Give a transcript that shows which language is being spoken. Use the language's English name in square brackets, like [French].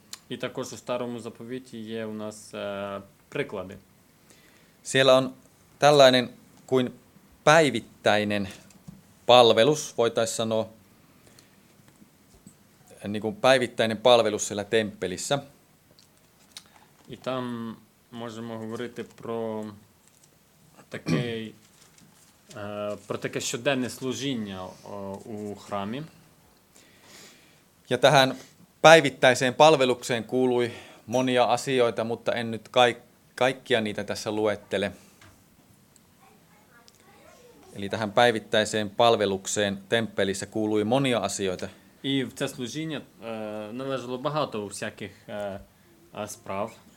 [Ukrainian] І також у старому заповіті є у нас приклади. [Finnish] Siellä on tällainen kuin päivittäinen palvelus, voitaisiin sanoa niin kuin päivittäinen palvelus siellä temppelissä. [Ukrainian] І там можемо говорити про такий про таке щоденне служіння у храмі. [Finnish] Ja tähän päivittäiseen palvelukseen kuului monia asioita, mutta en nyt kaikkia niitä tässä luettele. Eli tähän päivittäiseen palvelukseen temppelissä kuului monia asioita. [Ukrainian] І в це служіння належало багато всяких справ.